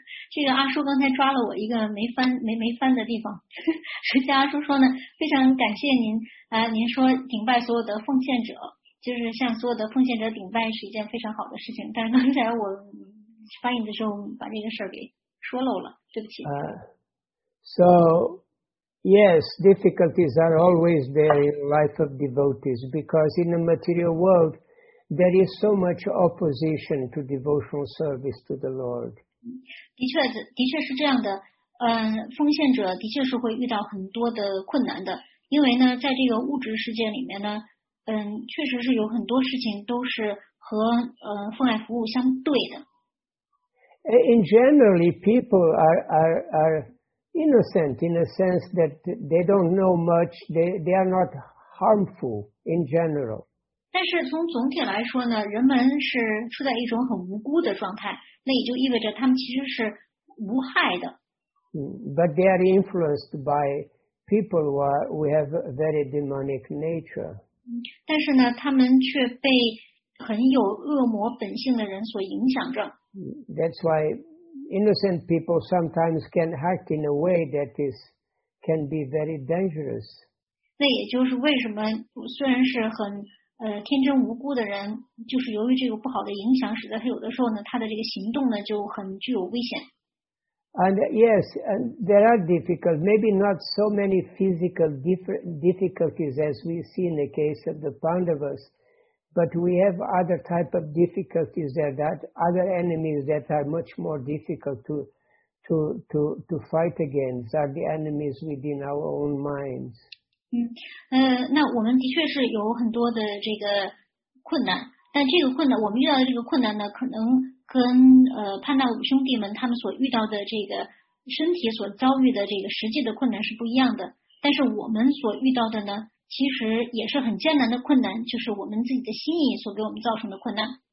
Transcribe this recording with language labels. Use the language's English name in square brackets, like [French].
[Chinese] 这个阿叔刚才抓了我一个没翻的地方。实际阿叔说呢，非常感谢您啊，您说顶拜所有的奉献者，就是向所有的奉献者顶拜是一件非常好的事情。但是刚才我翻译的时候把这个事儿给说漏了。 [English] So, yes, difficulties are always there in the life of devotees, because in the material world, there is so much opposition to devotional service to the Lord. [Chinese] 的确是这样的，奉献者的确是会遇到很多的困难的，因为呢，在这个物质世界里面呢，确实是有很多事情都是和奉爱服务相对的。 [English] In generally, people are innocent in a sense that they don't know much. They are not harmful in general. [Chinese] 但是从总体来说呢，人们是处在一种很无辜的状态，那也就意味着他们其实是无害的。 [English] But they are influenced by people who are we have a very demonic nature. [Chinese] 但是呢，他们却被很有恶魔本性的人所影响着。 [English] That's why innocent people sometimes can act in a way that can be very dangerous. [Chinese] 那也就是为什么虽然是很天真无辜的人，就是由于这个不好的影响，使得他有的时候呢，他的这个行动呢就很具有危险。 [English] And yes, and there are difficult, maybe not so many physical difficulties as we see in the case of the Pandavas. But we have other type of difficulties there, that other enemies that are much more difficult to fight against are the enemies within our own minds. [Chinese] 那我们的确是有很多的这个困难，但这个困难我们遇到的这个困难呢，可能跟潘大五兄弟们他们所遇到的这个身体所遭遇的这个实际的困难是不一样的，但是我们所遇到的呢，其实也是很艰难的困难，就是我们自己的心意所给我们造成的困难。